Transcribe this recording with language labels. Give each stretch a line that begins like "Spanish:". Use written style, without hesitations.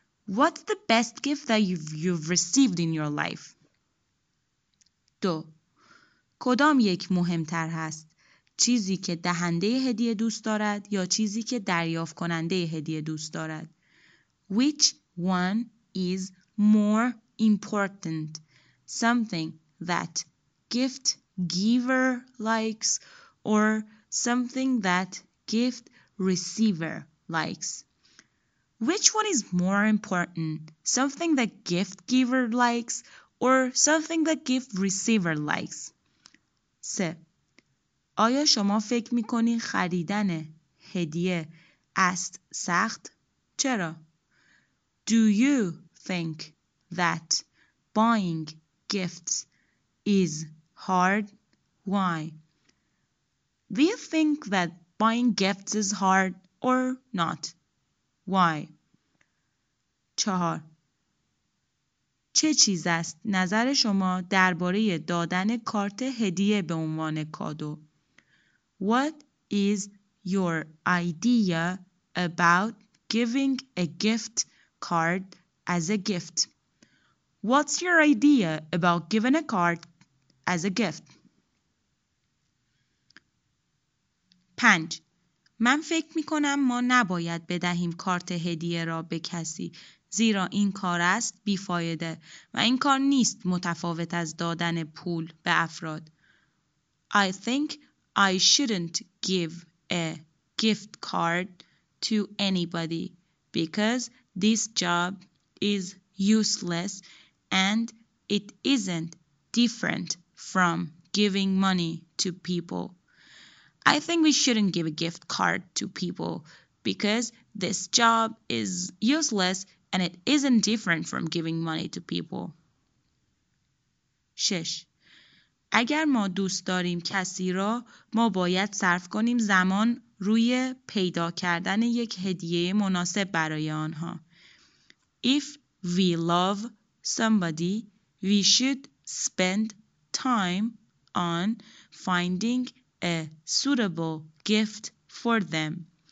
English: What's the best gift that you've received in your life?
Persian: 2 کدام یک مهمتر هست؟ چیزی که دهنده هدیه دوست دارد یا چیزی که دریافت کننده هدیه دوست دارد.
English: Which one is more important? Something that gift giver likes or something that gift receiver likes? Which one is more important? Something that gift giver likes or something that gift receiver likes? 3.
Persian: آیا شما فکر می‌کنی خریدن هدیه است سخت؟ چرا؟
English: Do you think that buying gifts is hard? Why? Do you think that buying gifts is hard or not? Why?
Persian: 4. چه چیز است نظر شما درباره دادن کارت هدیه به عنوان کادو؟
English: What is your idea about giving a gift card as a gift? What's your idea about giving a card as a gift? 5.
Persian: من فکر می‌کنم ما نباید بدهیم کارت هدیه را به کسی زیرا این کار است بی‌فایده و این کار نیست متفاوت از دادن پول به افراد.
English: I think I shouldn't give a gift card to anybody because this job is useless and it isn't different from giving money to people. I think we shouldn't give a gift card to people because this job is useless and it isn't different from giving money to people. 6.
Persian: اگر ما دوست داریم کسی را ما باید صرف کنیم زمان روی پیدا کردن یک هدیه مناسب برای آنها.
English: If we love somebody, we should spend time on finding a suitable gift for them.